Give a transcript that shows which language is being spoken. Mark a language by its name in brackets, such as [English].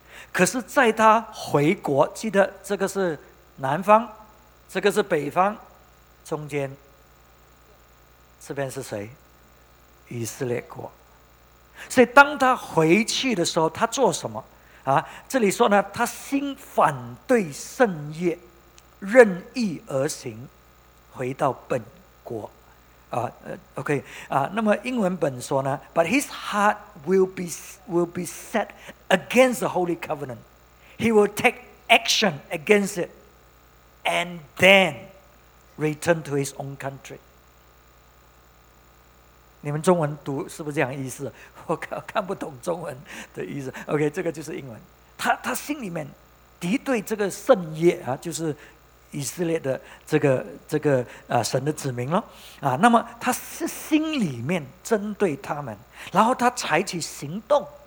[Chinese] 可是，在他回国，记得这个是南方，这个是北方，中间这边是谁？以色列国。所以当他回去的时候，他做什么啊？这里说呢，他心反对圣业，任意而行，回到本国啊。 OK 啊，那么英文本说呢 [English] ，But his heart will be set against the holy covenant. He will take action against it, and then return to his own country. [Chinese] 你们中文读是不是这样意思？我看不懂中文的意思。OK， 这个就是英文。他心里面敌对这个圣业啊，就是以色列的这个啊神的子民了啊。那么他是心里面针对他们，然后他采取行动。